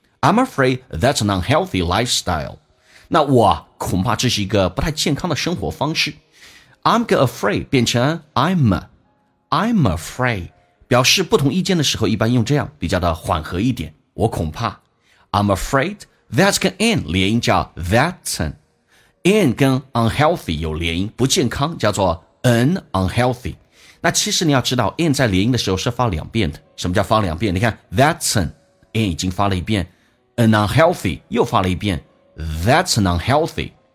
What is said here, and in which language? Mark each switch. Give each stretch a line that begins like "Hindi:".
English: I'm afraid that's an unhealthy lifestyle.
Chinese: 那我恐怕这是一个不太健康的生活方式。 I'm afraid 变成 I'm afraid 表示不同意见的时候，一般用这样比较的缓和一点。我恐怕。
English: I'm afraid that's 跟 an 连音叫 that's an
Chinese: 跟 unhealthy 有连音，不健康，叫做 an unhealthy。那其实你要知道 an 在连音的时候是发两遍的，什么叫发两遍？你看 that's an 已经发了一遍， an unhealthy 又发了一遍，
English: that's an unhealthy